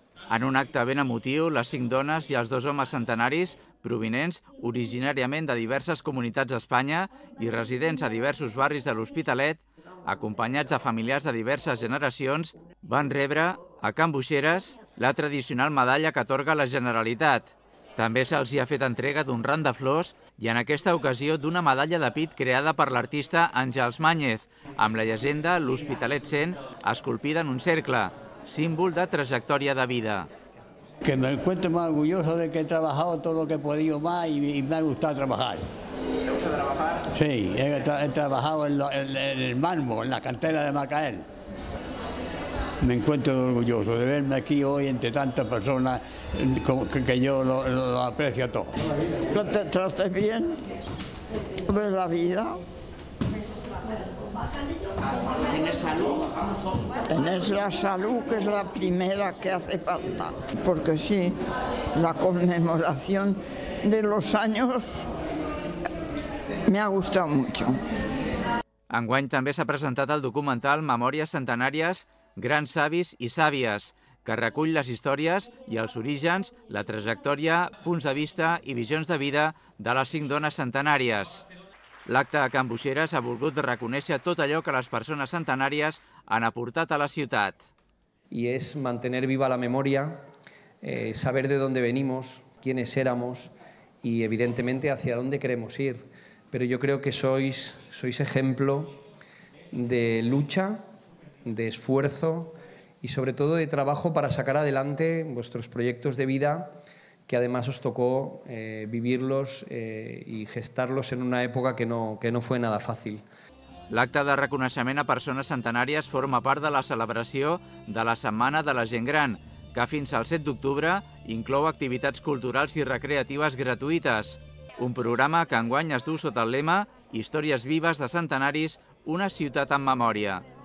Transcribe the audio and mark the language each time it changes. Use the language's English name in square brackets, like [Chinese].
[Catalan] En un acte ben emotiu, les 5 dones i els 2 homes centenaris, provinents originàriament de diverses comunitats d'Espanya i residents a diversos barris de l'Hospitalet, acompanyats de familiars de diverses generacions, van rebre, a Can Boixeres, la tradicional medalla que atorga la Generalitat. També se'ls ha fet entrega d'un ram de flors i en aquesta ocasió d'una medalla de pit creada per l'artista Àngels Màñez, amb la llegenda «L'Hospitalet 100», esculpida en un cercle, símbol de trajectòria de vida. [Spanish] Que me encuentro más orgulloso de que he trabajado todo lo que he podido más y me ha gustado trabajar. ¿Te gusta trabajar? Sí, he trabajado en el mármol, en la cantera de Macael. Me encuentro orgulloso de verme aquí hoy entre tantas personas que yo lo aprecio a todos. ¿Lo te trates bien? ¿Cómo es la vida? Tener salud. Tener la salud, que es la primera que hace falta. Porque sí, la conmemoración de los años me ha gustado mucho. [Catalan] Enguany també s'ha presentat el documental Memòries Centenàries, Grans Savis i Sàvies, que recull les històries i els orígens, la trajectòria, punts de vista i visions de vida de les 5 dones centenàries. L'acte a Can Boixeres ha volgut reconèixer tot allò que les persones centenàries han aportat a la ciutat. [Spanish] Y es mantener viva la memoria, saber de dónde venimos, quiénes éramos y evidentemente hacia dónde queremos ir. Pero yo creo que sois ejemplo de lucha, de esfuerzo y sobre todo de trabajo para sacar adelante vuestros proyectos de vida, que además os tocó vivirlos y gestarlos en una época que no fue nada fácil. [Catalan] L'acte de reconeixement a persones centenàries forma part de la celebració de la Setmana de la Gent Gran, que fins al 7 d'octubre inclou activitats culturals i recreatives gratuïtes, un programa que enguany es du sota el lema «Històries vives de centenaris, una ciutat en memòria».